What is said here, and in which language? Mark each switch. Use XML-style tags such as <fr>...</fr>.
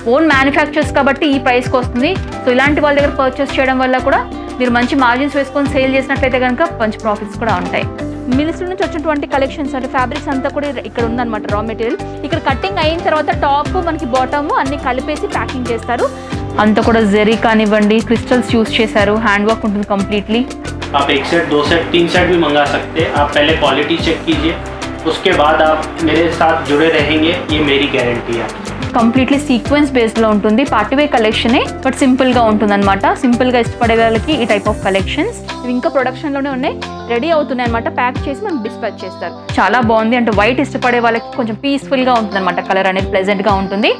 <te>Own manufacturers కాబట్టి ఈ price కి వస్తుంది. సో ఇలాంటి వాళ్ళ దగ్గర పర్చేస్ చేయడం వల్ల కూడా మీరు మంచి మార్జిన్స్ వేసుకొని సేల్ చేసినట్లయితే కనుక మంచి ప్రాఫిట్స్ కూడా ఉంటాయి. మిల్స్ నుంచి వచ్చినటువంటి కలెక్షన్స్ అంటే ఫ్యాబ్రిక్స్ అంతా కూడా ఇక్కడ ఉందన్నమాట. రా మెటీరియల్ ఇక్కడ కట్టింగ్ అయిన తర్వాత టాప్ మనకి బాటమ్ అన్ని కలిపేసి ప్యాకింగ్ చేస్తారు. అంతా కూడా జెరీ కానివ్వండి, క్రిస్టల్స్ యూస్ చేశారు, హ్యాండ్ వర్క్ ఉంటుంది కంప్లీట్లీ.</te> <hi>आप एक सेट, दो सेट, तीन सेट भी मंगा सकते हैं. आप पहले क्वालिटी चेक कीजिए, उसके बाद आप मेरे साथ जुड़े रहेंगे, ये मेरी गारंटी है.</hi> <te>కంప్లీట్లీ సీక్వెన్స్ బేస్డ్ లో ఉంటుంది, పార్టీవేర్ కలెక్షన్ బట్ సింపుల్ గా ఉంటుంది అనమాట. సింపుల్ గా ఇష్టపడే వాళ్ళకి ఈ టైప్ ఆఫ్ కలెక్షన్స్ ఇంకా ప్రొడక్షన్ లోనే ఉన్నాయి, రెడీ అవుతున్నాయి అనమాట. ప్యాక్ చేసి మనం డిస్పాచ్ చేస్తారు. చాలా బాగుంది. అంటే వైట్ ఇష్టపడే వాళ్ళకి కొంచెం పీస్ఫుల్ గా ఉంటుంది అనమాట, కలర్ అనేది ప్లెజెంట్ గా ఉంటుంది.</te>